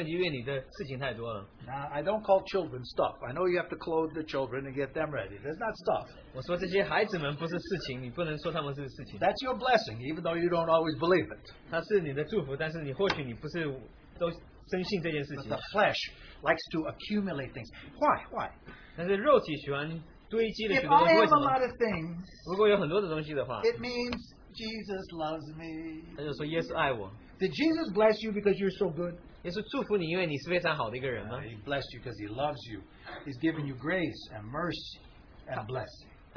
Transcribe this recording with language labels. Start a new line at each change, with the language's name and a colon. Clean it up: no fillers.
Chinese: 那有许多人今天早上在来聚会之前没有时间，这个读圣经，因为你的事情太多了。
English: I don't call children stuff. I know you have to clothe the children and get them ready. That's not stuff.
Chinese: 我说这些孩子们不是事情，你不能说他们是事情。
English: That's your blessing, even though you don't always believe it.
Chinese: 它是你的祝福，但是你或许你不是都深信这件事情。
English: But the flesh likes to accumulate things. Why? Why?
Chinese: 但是肉体喜欢堆积的许多东西。
English: If I have a lot of things, it means Jesus loves me.
Chinese: 他就说,
English: yes, I will. Did Jesus bless you because you're so good?
Chinese: 耶稣祝福你因为你是非常好的一个人吗?
English: He blessed you because he loves you. He's given you grace and mercy and blessing.